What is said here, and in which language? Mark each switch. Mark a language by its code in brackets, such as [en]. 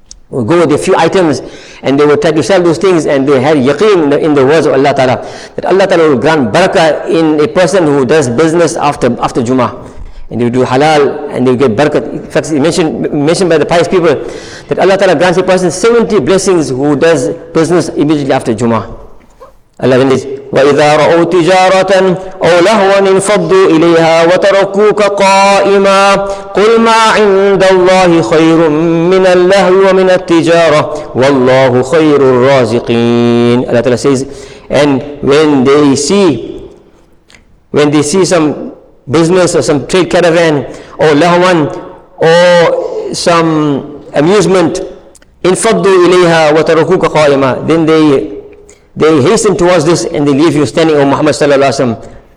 [en] will go with a few items, and they will try to sell those things, and they had yaqeen in the words of Allah Ta'ala, that Allah Ta'ala will grant barakah in a person who does business after Jumu'ah, and they will do halal, and they will get barakah. In fact, it's mentioned by the pious people, that Allah Ta'ala grants a person 70 blessings who does business immediately after Jumu'ah. Allah then says, [ar] وَإِذَا رَأُوا تِجَارَةً أَوْ لَهْوًا انْفَضُّوا إِلَيْهَا وَتَرَكُوكَ قَائِمًا قُلْ مَا عِنْدَ اللَّهِ خَيْرٌ مِّنَ اللَّهْوِ وَمِنَ التِّجَارَةِ وَاللَّهُ خَيْرُ الرَّازِقِينَ. [en] Allah Ta'ala says, and when they see some business or some trade caravan or lahwan or some amusement, [ar] انْفَضُّوا إِلَيْهَا وَتَرَكُوكَ قَائِمًا, [en] then they hasten towards this and they leave you standing, O Muhammad sallallahu alaihi wasallam.